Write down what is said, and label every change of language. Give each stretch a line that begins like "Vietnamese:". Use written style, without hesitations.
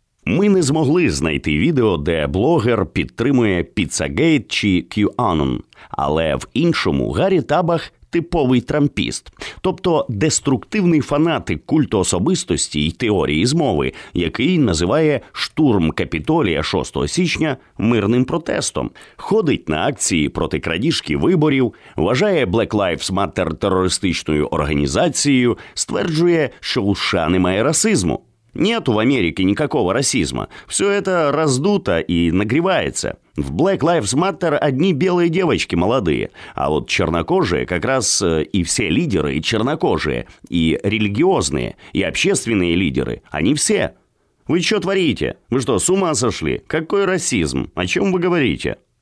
Ukrainian: Ми не змогли знайти відео, де блогер підтримує Піцагейт чи QAnon, але в іншому Гаррі Табах – типовий трампіст, тобто деструктивний фанатик культу особистості й теорії змови, який називає штурм Капітолія 6 січня мирним протестом, ходить на акції проти крадіжки виборів, вважає Black Lives Matter терористичною організацією, стверджує, що у США немає расизму.
Russian: Нет в Америке никакого расизма. Все это раздуто и нагревается. В Black Lives Matter одни белые девочки молодые, а вот чернокожие как раз и все лидеры, и чернокожие, и религиозные, и общественные лидеры, они все. Вы что творите? Вы что, с ума сошли? Какой расизм? О чем вы говорите?